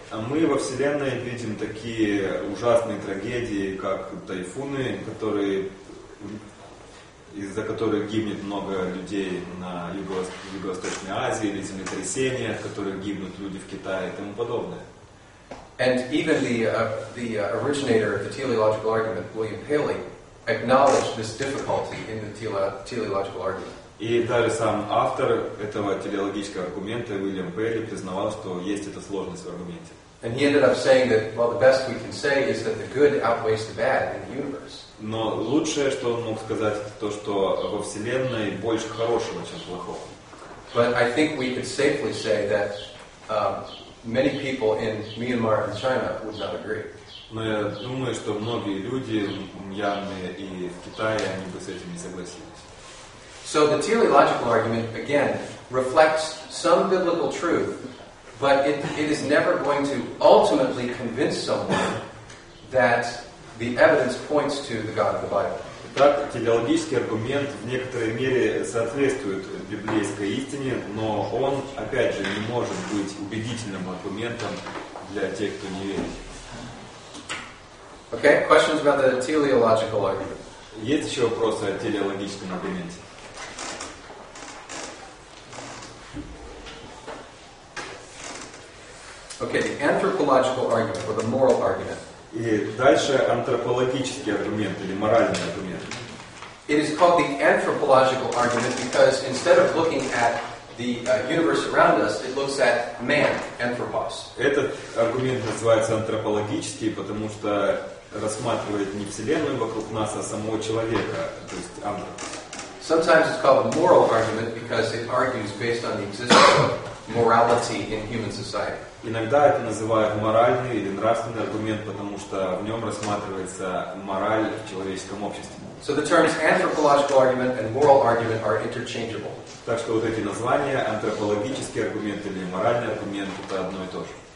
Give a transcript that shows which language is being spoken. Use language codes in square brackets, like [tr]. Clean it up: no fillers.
[ru] А мы во Вселенной видим такие ужасные трагедии, как тайфуны, которые из-за которых гибнет много людей на Юго-Восточной Азии, или землетрясения, от которых гибнут люди в Китае и тому подобное. [en] And even the originator of the teleological argument, William Paley, acknowledged this difficulty in the teleological argument. [ru] И даже сам автор этого телеологического аргумента, Уильям Пейли, признавал, что есть эта сложность в аргументе. [en] And he ended up saying that, well, the best we can say is that the good outweighs the bad in the universe. [ru] Но лучшее, что он мог сказать, это то, что во Вселенной больше хорошего, чем плохого. [en] But I think we could safely say that many people in Myanmar and China would not agree. [ru] Но я думаю, что многие люди в Мьянме и в Китае, они бы с этим не согласились. [en] So the teleological argument, again, reflects some biblical truth, But it is never going to ultimately convince someone that the evidence points to the God of the Bible. [ru] Так, теологический аргумент в некоторой мере соответствует библейской истине, но он, опять же, не может быть убедительным аргументом для тех, кто не верит. [en] Okay, questions about the teleological argument. [ru] Есть еще вопросы о телеологическом аргументе? [en] Okay, the anthropological argument or the moral argument. [ru] И дальше антропологический аргумент или моральный аргумент. [en] It is called the anthropological argument because instead of looking at the universe around us, it looks at man, anthropos. [ru] Этот аргумент называется антропологический, потому что рассматривает не вселенную вокруг нас, а самого человека, то есть антропос. [en] Sometimes it's called a moral argument because it argues based on the existence of morality in human society. [ru] Иногда это называют моральный или нравственный аргумент, потому что в нем рассматривается мораль в человеческом обществе. [en] So the terms anthropological argument and moral argument are interchangeable. [ru] Так что вот эти названия, антропологический аргумент или моральный аргумент, это одно и то же.